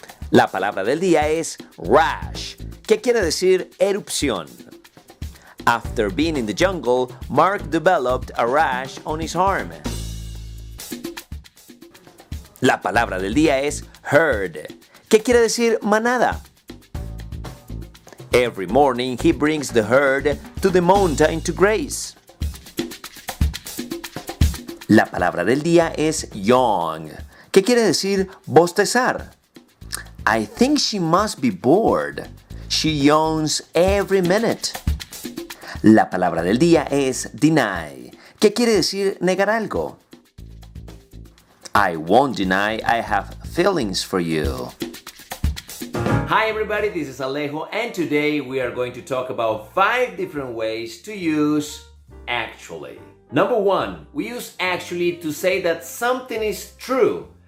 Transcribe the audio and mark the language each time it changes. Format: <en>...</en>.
<es>La palabra del día es rash, que quiere decir erupción.</es> <en>After being in the jungle, Mark developed a rash on his arm.</en> <es>La palabra del día es herd, que quiere decir manada.</es> <en>Every morning he brings the herd to the mountain to graze.</en> <es>La palabra del día es yawn, que quiere decir bostezar.</es> <en>I think she must be bored. She yawns every minute.</en> <es>La palabra del día es deny, que quiere decir negar algo.</es> <en>I won't deny I have feelings for you. Hi everybody, this is Alejo, and today we are going to talk about 5 different ways to use actually. Number 1, we use actually to say that something is true.</en>